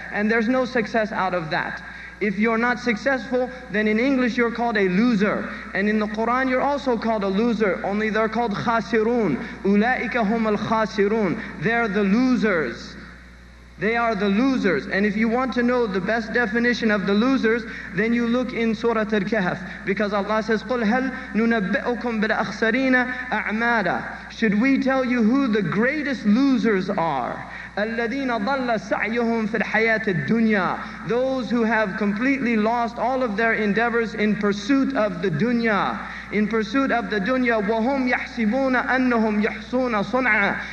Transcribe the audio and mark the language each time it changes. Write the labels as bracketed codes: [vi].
[en] And there's no success out of that. If you're not successful, then in English you're called a loser. And in the Quran you're also called a loser, only they're called khasirun. [ar] Ulaika hum al khasirun. [en] They're the losers. They are the losers. And if you want to know the best definition of the losers, then you look in Surah Al-Kahf. Because Allah says, [ar] قُلْ هَلْ نُنَبِّئُكُمْ بِالْأَخْسَرِينَ أَعْمَادًا. [en] Should we tell you who the greatest losers are? [ar] الَّذِينَ ضَلَّ سَعْيُهُمْ فِي الْحَيَاةِ الدُّنْيَا. [en] Those who have completely lost all of their endeavors in pursuit of the dunya. In pursuit of the dunya, [ar] وَهُمْ يَحْسِبُونَ أَنَّهُمْ يَحْسُونَ صُنْعًا.